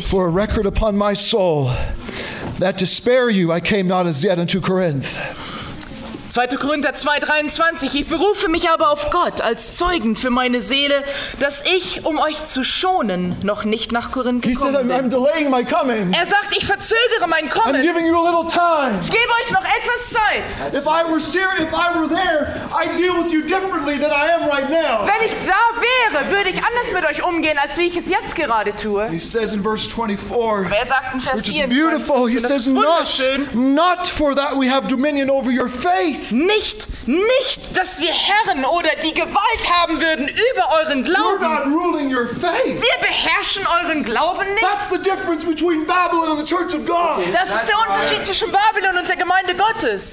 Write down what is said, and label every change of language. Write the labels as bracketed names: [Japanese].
[English] For a record upon my soul that to spare you I came not as yet unto Corinth. [German] 2. Korinther 2,23. Ich berufe mich aber auf Gott als Zeugen für meine Seele, dass ich, um euch zu schonen, noch nicht nach Korinth gekommen [English] bin. I'm delaying my coming. [German] Er sagt, ich verzögere mein Kommen. [English] I'm giving you a little time. [German] Ich gebe euch noch etwas Zeit. Wenn ich da wäre, würde ich anders mit euch umgehen, als wie ich es jetzt gerade tue. [English] He says in verse 24, [German] aber er sagt in Vers 24, [English] which is beautiful. He says, not for that we have dominion over your faith. [German] Nicht, dass wir Herren oder die Gewalt haben würden über euren Glauben. [English] We're not ruling your faith. [German] Wir beherrschen euren Glauben nicht. [English] That's the difference between Babylon and the Church of God. [German] Das ist der Unterschied zwischen Babylon und der Gemeinde Gottes.